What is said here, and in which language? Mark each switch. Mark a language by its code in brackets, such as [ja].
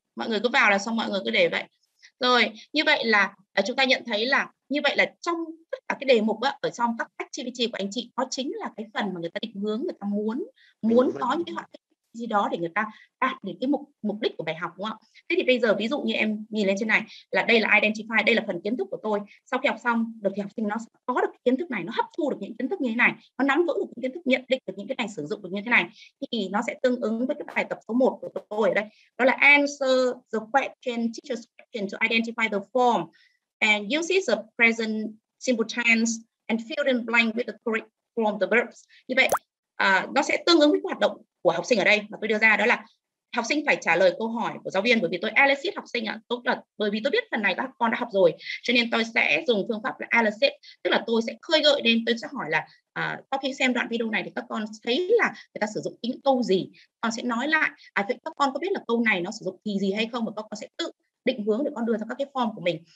[vi] Mọi người cứ vào là xong, mọi người cứ để vậy. Rồi, như vậy là chúng ta nhận thấy là như vậy là trong tất cả cái đề mục đó, ở trong các activity của anh chị nó chính là cái phần mà người ta định hướng, người ta muốn có những cái hoạt động gì đó để người ta đạt được cái mục đích của bài học, đúng không ạ? Thế thì bây giờ ví dụ như em nhìn lên trên này là đây là identify, đây là phần kiến thức của tôi. Sau khi học xong được thì học sinh nó có được kiến thức này, nó hấp thu được những kiến thức như thế này, nó nắm vững được những kiến thức, nhận định được những cái này, sử dụng được như thế này, thì nó sẽ tương ứng với cái bài tập số 1 của tôi ở đây. Đó là [en] answer the question, teacher's question to identify the form and use the present simple tense and fill in blank with the correct form of the verbs. [vi] Như vậy, nó sẽ tương ứng với hoạt động của học sinh ở đây mà tôi đưa ra, đó là học sinh phải trả lời câu hỏi của giáo viên, bởi vì tôi elicit học sinh ạ, bởi vì tôi biết phần này các con đã học rồi, cho nên tôi sẽ dùng phương pháp là elicit, tức là tôi sẽ khơi gợi lên, tôi sẽ hỏi là sau khi xem đoạn video này thì các con thấy là người ta sử dụng những câu gì, con sẽ nói lại, các con có biết là câu này nó sử dụng thì gì hay không, và các con sẽ tự định hướng để con đưa ra các cái form của mình.